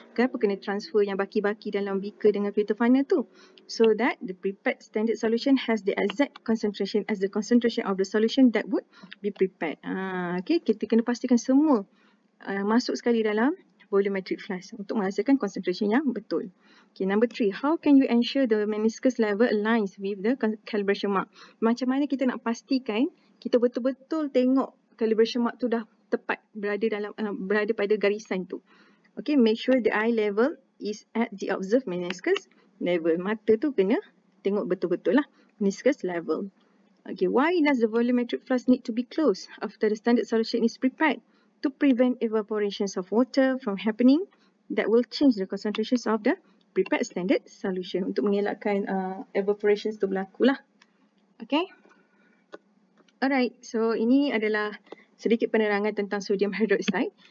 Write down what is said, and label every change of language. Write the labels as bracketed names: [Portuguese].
[Malay] Kenapa kena transfer yang baki-baki dalam beaker dengan filter final tu? [English] So that the prepared standard solution has the exact concentration as the concentration of the solution that would be prepared. [Malay] Okay, kita kena pastikan semua masuk sekali dalam volumetric flask untuk menghasilkan concentration yang betul. [English] Okay, number three, how can you ensure the meniscus level aligns with the calibration mark? [Malay] Macam mana kita nak pastikan kita betul-betul tengok calibration mark tu dah tepat berada dalam berada pada garisan tu. [English] Okay, make sure the eye level is at the observed meniscus level. [Malay] Mata tu kena tengok betul-betul lah meniscus level. [English] Okay, why does the volumetric flask need to be closed after the standard solution is prepared? To prevent evaporations of water from happening that will change the concentrations of the prepared standard solution. [Malay] Untuk mengelakkan evaporations tu berlaku lah. [English] Okay. [Malay] Alright, so ini adalah sedikit penerangan tentang sodium hydroxide.